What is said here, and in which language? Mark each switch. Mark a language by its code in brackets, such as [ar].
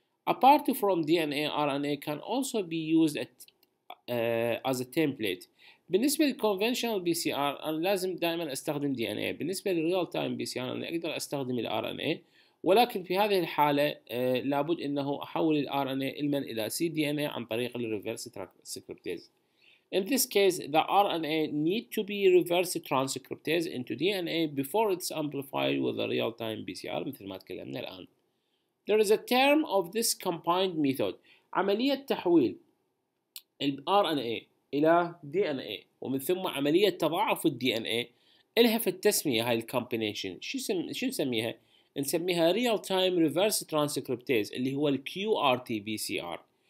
[en] Apart from DNA, RNA can also be used as a template. [ar] بالنسبة للconventional PCR أنا لازم دائما أستخدم DNA. بالنسبة للreal time PCR أنا أقدر أستخدم الRNA، ولكن في هذه الحالة لابد أنه أحول الRNA المن إلى cDNA عن طريق reverse transcriptase. [en] In this case, the RNA need to be reverse transcriptase into DNA before it's amplified with the real time PCR [ar] مثل ما تكلمنا الآن. [en] There is a term of this combined method. [ar] عملية تحويل الـ RNA إلى DNA ومن ثم عملية تضاعف الـ DNA إلها في التسمية هاي الـ combination. شو نسميها؟ نسميها Real-Time Reverse Transcriptase اللي هو الـ QRT-PCR.